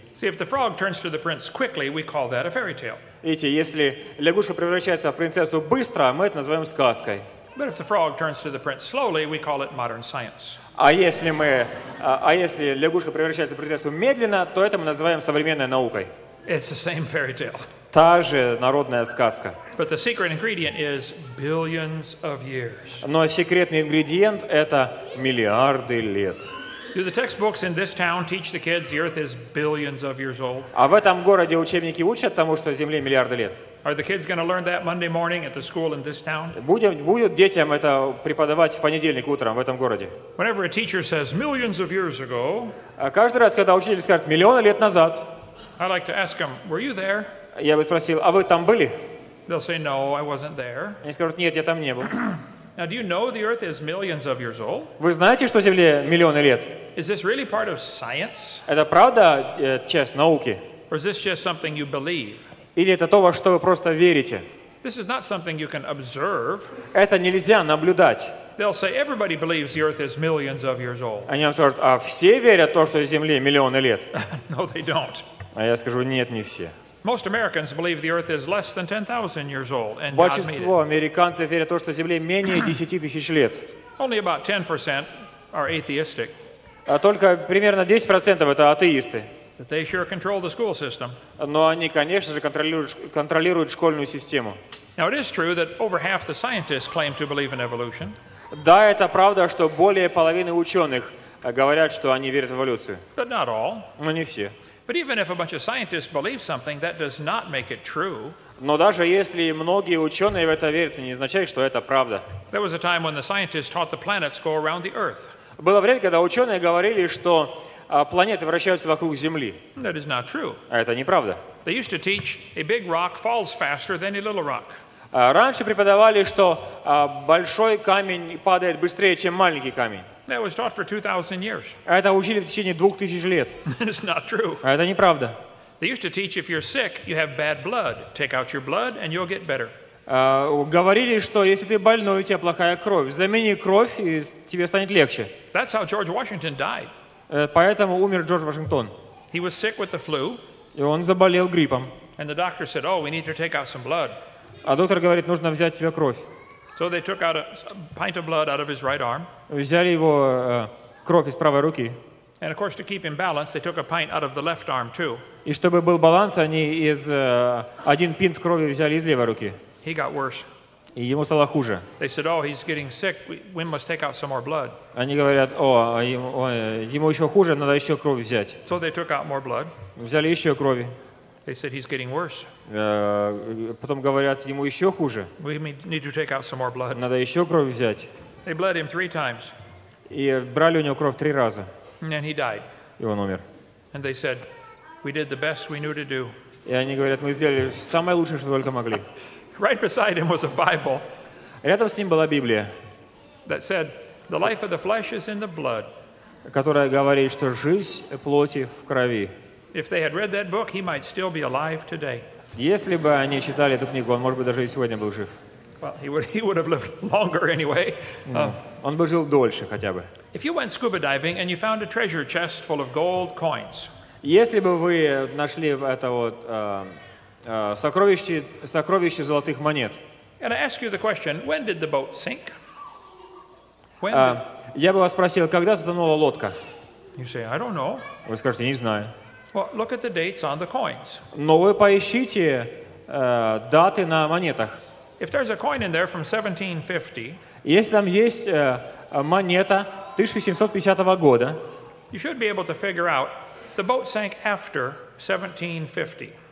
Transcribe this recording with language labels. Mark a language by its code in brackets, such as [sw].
[en] See, if the frog turns to the prince quickly, we call that a fairy tale. [ru] Видите, если лягушка превращается в принцессу быстро, мы это называем сказкой. [en] But if the frog turns to the prince slowly, we call it modern science. [ru] А если лягушка превращается в принцессу медленно, то это мы называем современной наукой. [en] It's the same fairy tale. [ru] Та же народная сказка. [en] But the secret ingredient is billions of years. [ru] Но секретный ингредиент — это миллиарды лет. [en] Do the textbooks in this town teach the kids the earth is billions of years old? [ru] А в этом городе учебники учат тому, что Земле миллиарды лет? [en] Are the kids going to learn that Monday morning at the school in this town? [ru] Будут детям это преподавать в понедельник утром в этом городе? [en] Whenever a teacher says millions of years ago, [ru] каждый раз, когда учитель скажет миллионы лет назад, [en] I like to ask them, were you there? [ru] Я бы спросил, а вы там были? [en] They'll say, no, I wasn't there. [ru] Они скажут, нет, я там не был. [en] Now, do you know the Earth is millions of years old? [ru] Вы знаете, что Земле миллионы лет? [en] Is this really part of science? [ru] Это правда часть науки? [en] Or is this just something you believe? [ru] Или это то, во что вы просто верите? [en] This is not something you can observe. [ru] Это нельзя наблюдать. [en] They'll say, everybody believes the Earth is millions of years old. [ru] Они вам скажут, а все верят то, что Земле миллионы лет? [en] No, they don't. [ru] А я скажу, нет, не все. [en] Most Americans believe the Earth is less than 10,000 years old, and [ru] большинство американцев верят в то, что Земле менее 10,000 лет. [en] Only about 10% are atheistic. [ru] А только примерно 10% это атеисты. [en] But they sure control the school system. [ru] Но они, конечно же, контролируют школьную систему. [en] Now it is true that over half the scientists claim to believe in evolution. [ru] Да, это правда, что более половины ученых говорят, что они верят в эволюцию. [en] But not all. [ru] Но не все. [en] But even if a bunch of scientists believe something, that does not make it true. [ru] Но даже если многие ученые в это верят, не означает, что это правда. [en] There was a time when the scientists taught the planets go around the Earth. [ru] Было время, когда ученые говорили, что планеты вращаются вокруг Земли. [en] That is not true. [ru] А это неправда. [en] They used to teach a big rock falls faster than a little rock. [ru] Раньше преподавали, что большой камень падает быстрее, чем маленький камень. [en] That was taught for 2,000 years. [ru] Это учили в течение 2000 лет. [en] It's not true. [ru] Это неправда. [en] They used to teach if you're sick, you have bad blood. Take out your blood and you'll get better. [ru] Говорили, что если ты больной, у тебя плохая кровь. Замени кровь, и тебе станет легче. [en] That's how George Washington died. [ru] Поэтому умер Джордж Вашингтон. [en] He was sick with the flu. [ru] И он заболел гриппом. [en] And the doctor said, "Oh, we need to take out some blood." [ru] А доктор говорит, нужно взять тебе кровь. [en] So they took out a pint of blood out of his right arm. [ru] Взяли его кровь из правой руки. [en] And of course, to keep him balanced, they took a pint out of the left arm too. [ru] И чтобы был баланс, они из один пинт крови взяли из левой руки. [en] He got worse. [ru] И ему стало хуже. [en] They said, "Oh, he's getting sick. We must take out some more blood." [ru] Они говорят, о, ему еще хуже, надо еще кровь взять. [en] So they took out more blood. [ru] Взяли еще крови. [en] They said he's getting worse. [ru] Потом говорят, ему еще хуже. [en] We need to take out some more blood. [ru] Надо еще кровь взять. [en] They bled him three times. [ru] И брали у него кровь три раза. [en] And he died. [ru] И он умер. [en] And they said, we did the best we knew to do. [ru] И они говорят, мы сделали самое лучшее, что только могли. [en] Right beside him was a Bible. [ru] Рядом с ним была Библия. [en] That said, the life of the flesh is in the blood. [ru] Которая говорит, что жизнь плоти в крови. [en] If they had read that book, he might still be alive today. [ru] Если бы они читали эту книгу, он, может быть, даже и сегодня был жив. [en] Well, he would have lived longer anyway. [ru] Он бы жил дольше хотя бы. [en] If you went scuba diving and you found a treasure chest full of gold coins. [ru] Если бы вы нашли это вот сокровище золотых монет. [en] And I ask you the question: when did the boat sink? [ru] Я бы вас спросил, когда затонула лодка? [en] You say, I don't know. [ru] Вы скажете, не знаю. [en] Well, look at the dates on the coins. [ru] Но вы поищите даты на монетах. [en] If there's a coin in there from 1750, [ru] если там есть монета 1750 года, [en] you should be able to figure out the boat sank after 1750.